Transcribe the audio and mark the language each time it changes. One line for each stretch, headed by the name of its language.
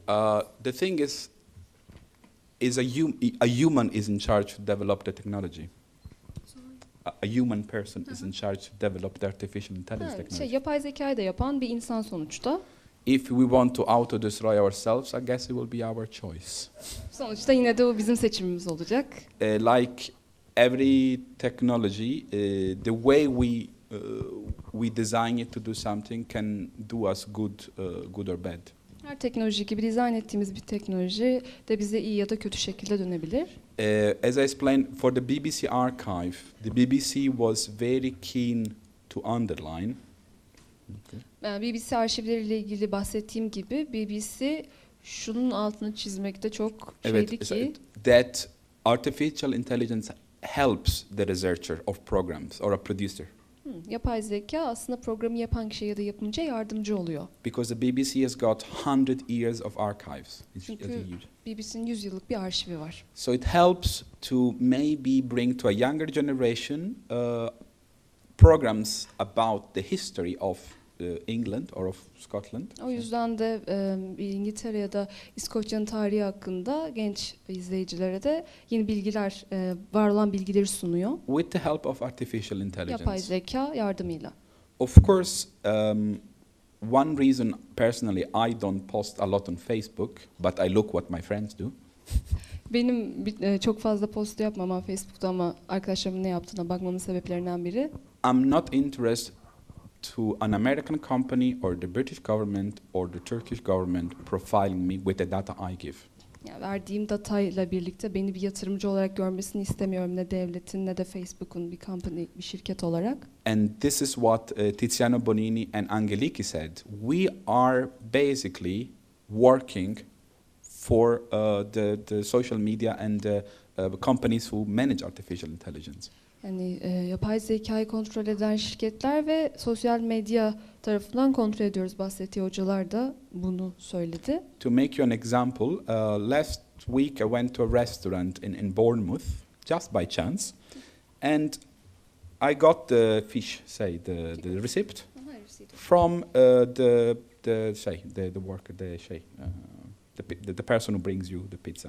English: The thing is a human is in charge to develop the technology. A human person is in charge to develop the artificial intelligence technology.
Turkish: Şey, yapay zekayı da yapan bir insan sonuçta.
English: If we want to auto destroy ourselves, I guess it will be our choice.
Turkish: Sonuçta yine de o bizim seçimimiz olacak.
English: Like every technology, the way we design it to do something can do us good or bad.
Turkish: Her teknoloji gibi dizayn ettiğimiz bir teknoloji de bize iyi ya da kötü şekilde dönebilir.
English: As I explained, for the BBC archive, the BBC was very keen to underline. Okay.
Turkish: BBC arşivleriyle ilgili bahsettiğim gibi, BBC şunun altını çizmekte çok şeydi ki...
English: That artificial intelligence helps the researcher of programs or a producer.
Turkish: Yapay zeka aslında programı yapan kişiye ya da yapımcıya yardımcı oluyor.
English: Because the BBC has got 100 years of archives.
Turkish: Çünkü BBC'nin 100 yıllık bir arşivi var.
English: So it helps to maybe bring to a younger generation programs about the history of England or of Scotland.
Turkish: O yüzden de İngiltere ya da İskoçya'nın tarihi hakkında genç izleyicilere de yeni bilgiler, var olan bilgileri sunuyor.
English: With the help of artificial intelligence.
Turkish: Yapay zeka yardımıyla.
English: Of course, one reason personally I don't post a lot on Facebook, but I look what my friends do.
Turkish: Benim çok fazla post yapmam Facebook'ta ama arkadaşlarımın ne yaptığına bakmamın sebeplerinden biri.
English: I'm not interested to an American company or the British government or the Turkish government profiling me with the data I give.
Turkish: Ya verdiğim datayla birlikte beni bir yatırımcı olarak görmesini istemiyorum ne devletin ne de Facebook'un bir company bir şirket olarak.
English: And this is what Tiziano Bonini and Angeliki said. We are basically working for the social media and the companies who manage artificial intelligence.
Turkish: Yani yapay zekayı kontrol eden şirketler ve sosyal medya tarafından kontrol ediyoruz. Bahsettiği hocalar da bunu söyledi.
English: To make you an example, last week I went to a restaurant in Bournemouth, just by chance, and I got the fish, say the receipt from the person who brings you the pizza,